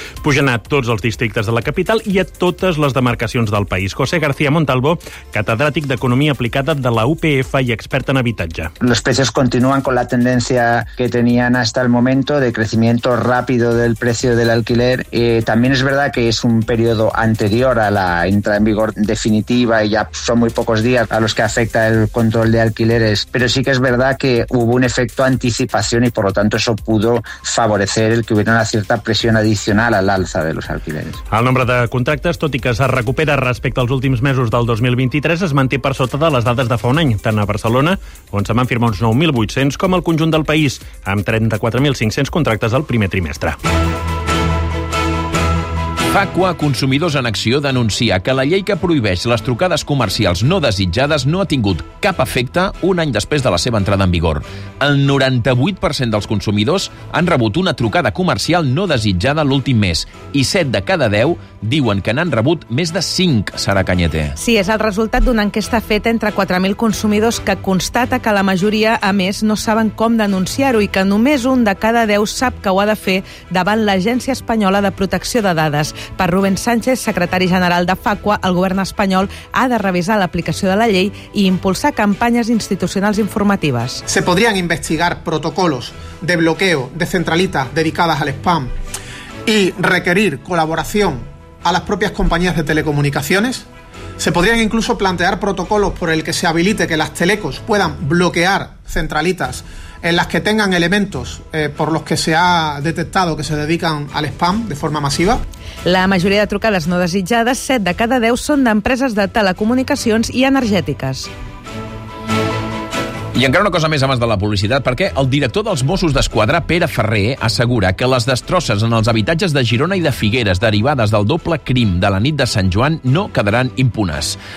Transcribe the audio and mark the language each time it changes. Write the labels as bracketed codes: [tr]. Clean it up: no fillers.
[ca] Pugen a tots els districtes de la capital i a totes les demarcacions del país. José García Montalvo, catedràtic d'Economia Aplicada de la UPF i expert en habitatge. Les preces continuen amb la tendència que tenien [es] hasta el momento de crecimiento rápido del precio del alquiler. También es verdad que es un periodo anterior a la entrada en vigor definitiva y ya son muy pocos días a los que afecta el control de alquileres, pero sí que es verdad que hubo un efecto anticipación y por lo tanto eso pudo favorecer el que hubiera una cierta presión adicional al alza de los alquileres. [ca] El nombre de contractes, tot i que es recupera respecte als últims mesos del 2023, es manté per sota de les dades de fa un any, tant a Barcelona, on se van firmar uns 9.800, com al conjunt del país, amb 34.500 contractes al primer trimestre. Facua Consumidors en Acció denuncia que la llei que prohibeix les trucades comercials no desitjades no ha tingut cap efecte un any després de la seva entrada en vigor. El 98% dels consumidors han rebut una trucada comercial no desitjada l'últim mes i 7 de cada 10 diuen que n'han rebut més de 5, Sara Canyete. Sí, és el resultat d'una enquesta feta entre 4.000 consumidors que constata que la majoria, a més, no saben com denunciar-ho i que només un de cada 10 sap que ho ha de fer davant l'Agència Espanyola de Protecció de Dades. Per Rubén Sánchez, secretari general de Facua, el govern espanyol ha de revisar l'aplicació de la llei i impulsar campanyes institucionals informatives. [es] Se podrían investigar protocolos de bloqueo de centralitas dedicadas al spam y requerir colaboración a las propias compañías de telecomunicaciones. Se podrían incluso plantear protocolos por el que se habilite que las telecos puedan bloquear centralitas en las que tengan elementos por los que se ha detectado que se dedican al spam de forma masiva. [ca] La majoria de trucades no desitjades, 7 de cada 10, són d'empreses de telecomunicacions i energètiques. I encara una cosa més abans de la publicitat, perquè el director dels Mossos d'Esquadra, Pere Ferrer, assegura que les destrosses en els habitatges de Girona i de Figueres derivades del doble crim de la nit de Sant Joan no quedaran impunes.